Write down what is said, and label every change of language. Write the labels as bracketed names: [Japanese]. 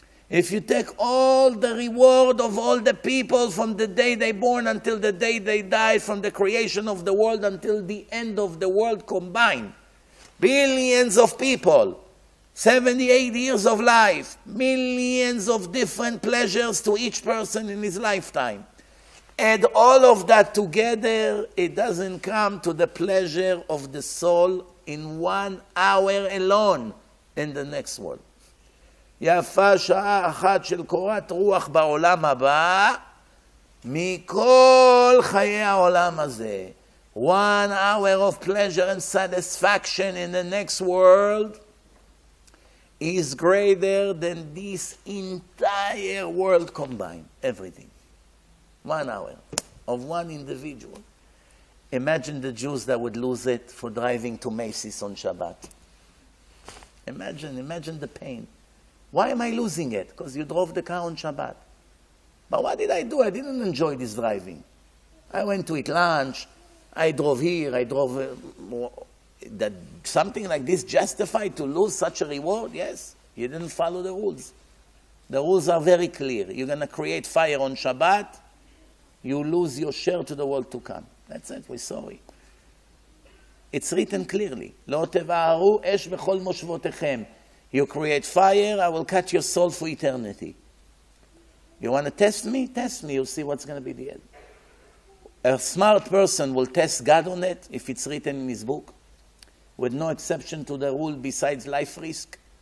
[English] If you take all the reward of all the people from the day they born until the day they die, from the creation of the world until the end of the world combined, billions of people, 78 years of life, millions of different pleasures to each person in his lifetime, add all of that together, it doesn't come to the pleasure of the soul in 1 hour alone in the next world. [Hebrew] יפה שעה אחת של קורת רוח בעולם הבא מכל חיי העולם הזה. [English] 1 hour of pleasure and satisfaction in the next world is greater than this entire world combined. Everything. 1 hour of one individual. Imagine the Jews that would lose it for driving to Macy's on Shabbat. Imagine the pain. Why am I losing it? Because you drove the car on Shabbat. But what did I do? I didn't enjoy this driving. I went to eat lunch. I drove here. I drove... That something like this justified to lose such a reward? Yes. You didn't follow the rules. The rules are very clear. You're going to create fire on Shabbat. You lose your share to the world to come. That's it. We're sorry. It's written clearly. [Hebrew] לא תבערו אש בכל מושבותיכם. [English] You create fire, I will cut your soul for eternity. You want to test me? Test me, you'll see what's going to be the end. A smart person will test God on it, if it's written in his book, with no exception to the rule besides life risk.